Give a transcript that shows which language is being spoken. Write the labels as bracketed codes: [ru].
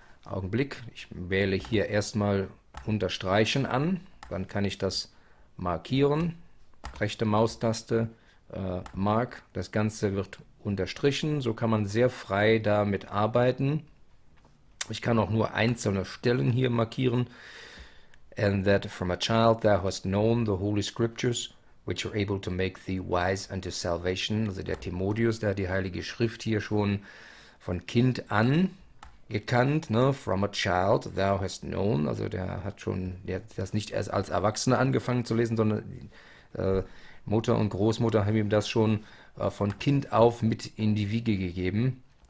[de] Augenblick, ich wähle hier erstmal Unterstreichen an, dann kann ich das markieren. Rechte Maustaste, Mark, das Ganze wird unterstrichen. So kann man sehr frei damit arbeiten. Ich kann auch nur einzelne Stellen hier markieren. [en] And that from a child thou hast known the holy scriptures, which are able to make thee wise unto salvation. [de] Also der Timotheus, der hat die Heilige Schrift hier schon von Kind an gekannt. Ne? [en] From a child thou hast known. [de] Also der hat schon, der hat das nicht erst als Erwachsener angefangen zu lesen, sondern Mutter und Großmutter haben ihm das schon von Kind auf mit in die Wiege gegeben.